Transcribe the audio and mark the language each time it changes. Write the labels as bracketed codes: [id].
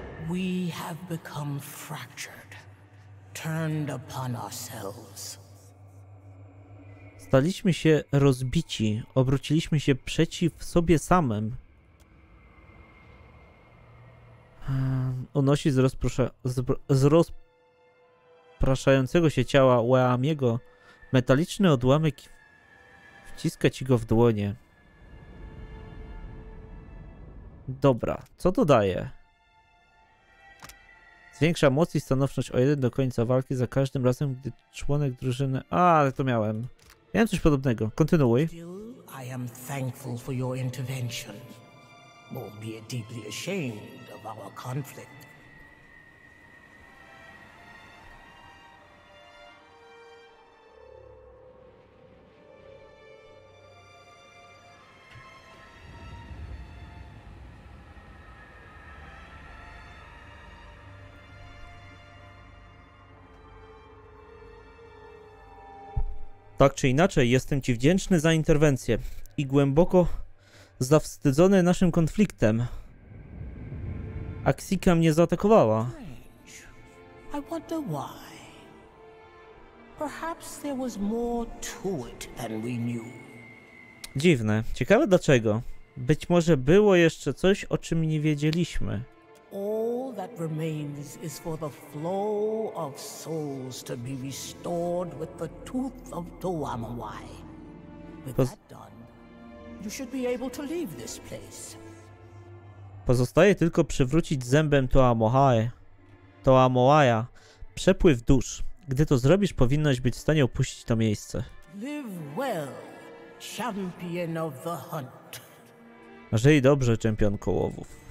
[en] We have become fractured, turned upon ourselves. [pl] Staliśmy się rozbici, obróciliśmy się przeciw sobie samym. Unosi z rozpraszającego się ciała Łeamiego metaliczny odłamek, wciska ci go w dłonie. Dobra, co to daje? Zwiększa moc i stanowczość o jeden do końca walki za każdym razem, gdy członek drużyny... A, ale to miałem. Miałem coś podobnego. Kontynuuj. [en] I am thankful for your intervention, albeit deeply ashamed of our conflict. [pl] Tak czy inaczej, jestem ci wdzięczny za interwencję i głęboko zawstydzony naszym konfliktem. Aksika mnie zaatakowała. [en] I wonder why. Perhaps there was more to it than we knew. [pl] Dziwne. Ciekawe dlaczego. Być może było jeszcze coś, o czym nie wiedzieliśmy. [en] All that remains is for the flow of souls to be restored with the tooth of Tuamawai. With that done, you should be able to leave this place. [pl] Pozostaje tylko przywrócić zębem Tuamawaya przepływ dusz. Gdy to zrobisz, powinnaś być w stanie opuścić to miejsce. [en] Live well, champion of the hunt. [pl] Żyj dobrze, czempionko łowów.